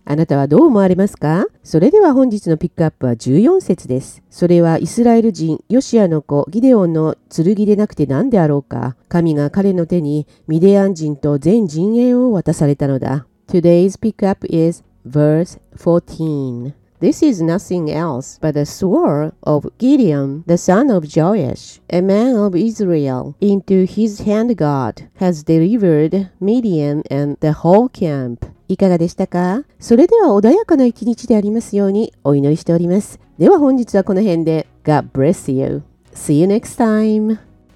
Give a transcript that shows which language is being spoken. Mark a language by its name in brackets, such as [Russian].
[Japanese] あなたはどう思われますか？それでは本日のピックアップは14節です。それはイスラエル人ヨシアの子ギデオンの剣でなくて何であろうか。神が彼の手にミディアン人と全陣営を渡されたのだ。 [English] Today's pick up is verse 14. This is nothing else but the sword of Gideon, the son of Joash, a man of Israel, into his hand God has delivered Midian and the whole camp. [Japanese] いかがでしたか？それでは穏やかな一日でありますようにお祈りしております。では本日はこの辺で [English] God bless you. See you next time.